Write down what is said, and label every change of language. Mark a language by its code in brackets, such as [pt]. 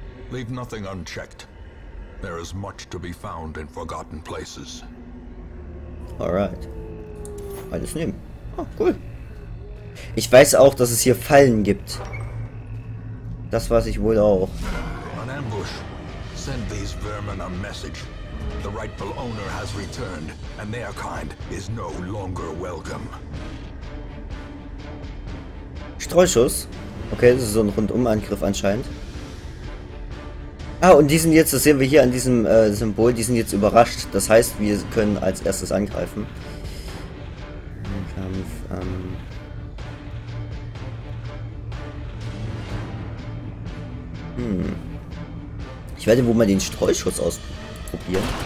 [en] Leave nothing unchecked. There is much to be found in forgotten places. [de] Alright. Alles nehmen. Oh, cool. Ich weiß auch, dass es hier Fallen gibt. Das weiß ich wohl auch. [en] An ambush. Send these vermin a message. The rightful owner has returned, and their kind is no longer welcome. [de] Streuschuss. Okay, das ist so ein Rundumangriff anscheinend. Ah, und die sind jetzt, das sehen wir hier an diesem Symbol, die sind jetzt überrascht. Das heißt, wir können als erstes angreifen. Kampf, Ich werde wohl mal den Streuschuss ausprobieren.